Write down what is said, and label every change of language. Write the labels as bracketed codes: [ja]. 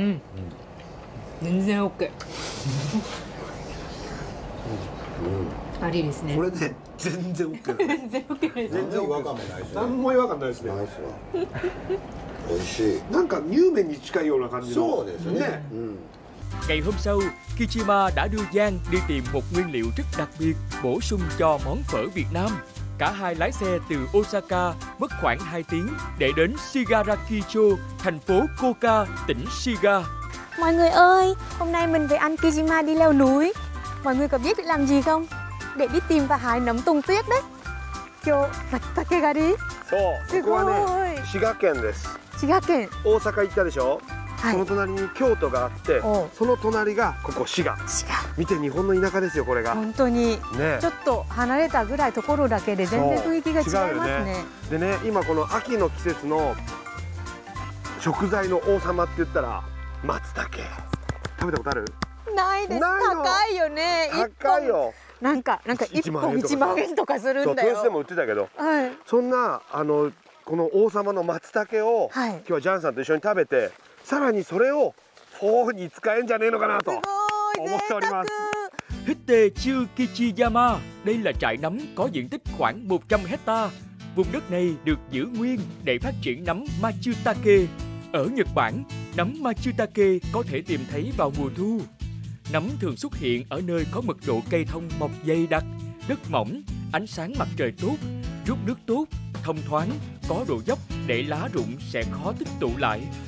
[ja] うん、全然 OK。うん、ありですね。これね、全然 OK。全然 OK です。全然違和感もないし、何も違和感ないですね。ないですわ。美味しい。なんか乳麺に近いような感じの。そうですね。 [vi] Ngày hôm sau, Kichima đã đưa Giang đi tìm một nguyên liệu rất đặc biệt bổ sung cho món phở Việt Nam. Cả hai lái xe từ Osaka mất khoảng 2 tiếng để đến Shigaraki-cho, thành phố Koka, tỉnh Shiga. Mọi người ơi, hôm nay mình với anh Kichima đi leo núi. Mọi người có biết để làm gì không? Để đi tìm và hái nấm tùng tuyết đấy. [ja] Kyo matake gari. そう、ここはね、滋賀県です。滋賀県、大阪行ったでしょ、はい、その隣に京都があって、その隣がここ滋賀。滋賀、見て、日本の田舎ですよ、これが。本当に、ね、ちょっと離れたぐらいところだけで全然雰囲気が違いますね。でね、今この秋の季節の食材の王様って言ったら松茸。食べたことある？ないです。ない、高いよね。高いよ。なんか1本1万円とかするんだよ。そう、豊洲でも売ってたけど、はい、そんなこの王様の松茸を、はい、今日はジャンさんと一緒に食べて、さらにそれをフォーに使えんじゃねえのかなと思っております。ヘッテチュキチヤマ。 [vi] Đây là trại nấm có diện tích khoảng 100 hectare. Vùng đất này được giữ nguyên để phát triển nấm Matsutake. Ở Nhật Bản, nấm Matsutake có thể tìm thấy vào mùa thu. Nấm thường xuất hiện ở nơi có mật độ cây thông mọc dày đặc, đất mỏng, ánh sáng mặt trời tốt, rút nước tốt, thông thoáng, có độ dốc để lá rụng sẽ khó tích tụ lại.